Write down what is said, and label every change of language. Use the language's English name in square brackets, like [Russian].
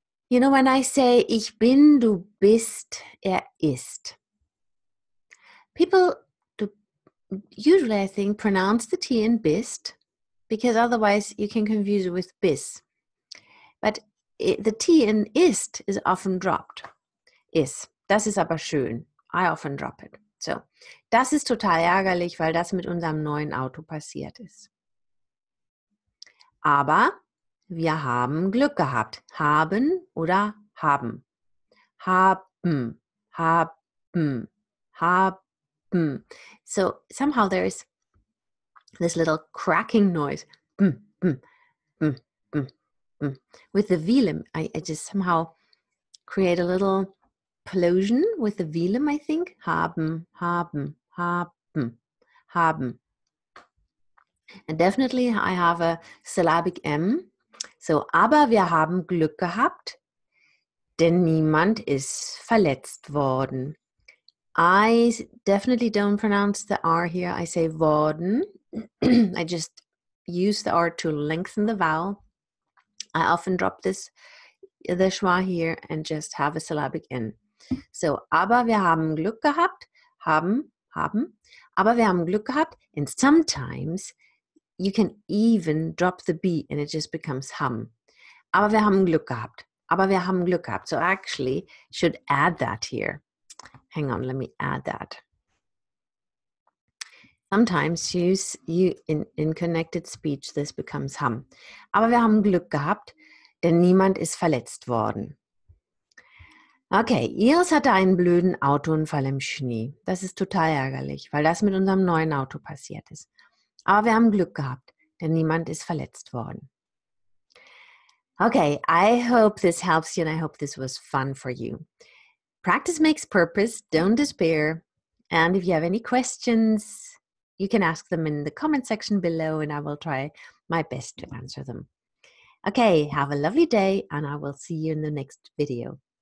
[English] You know, when I say, [German] ich bin, du bist, ist. [English] People usually, I think, pronounce the T in bist, because otherwise you can confuse it with bis. But the T in ist is often dropped. [German] Is. Das ist aber schön. [English] I often drop it. [German] So, das ist total ärgerlich, weil das mit unserem neuen Auto passiert ist. Aber... Wir haben Glück gehabt. Haben oder haben. Haben. Haben. Haben. [English] So somehow there is this little cracking noise. Bum, bum, bum, bum, bum. With the velum, I just somehow create a little plosion with the velum, I think. [German] Haben, haben, haben, haben. [English] And definitely I have a syllabic M. [German] So, aber wir haben Glück gehabt, denn niemand ist verletzt worden. [English] I definitely don't pronounce the R here. I say worden. I just use the R to lengthen the vowel. I often drop this, the schwa here, and just have a syllabic N. [German] So, aber wir haben Glück gehabt, haben, aber wir haben Glück gehabt. [English] And sometimes you can even drop the B and it just becomes haben. [German] Aber wir haben Glück gehabt. Aber wir haben Glück gehabt. [English] So actually, should add that here. Hang on, let me add that. Sometimes you in connected speech, this becomes haben. [German] Aber wir haben Glück gehabt, denn niemand ist verletzt worden. Okay, Iris hatte einen blöden Autounfall im Schnee. Das ist total ärgerlich, weil das mit unserem neuen Auto passiert ist. Aber wir haben Glück gehabt, denn niemand ist verletzt worden. [English] Okay, I hope this helps you and I hope this was fun for you. Practice makes purpose, don't despair. And if you have any questions, you can ask them in the comment section below and I will try my best to answer them. Okay, have a lovely day and I will see you in the next video.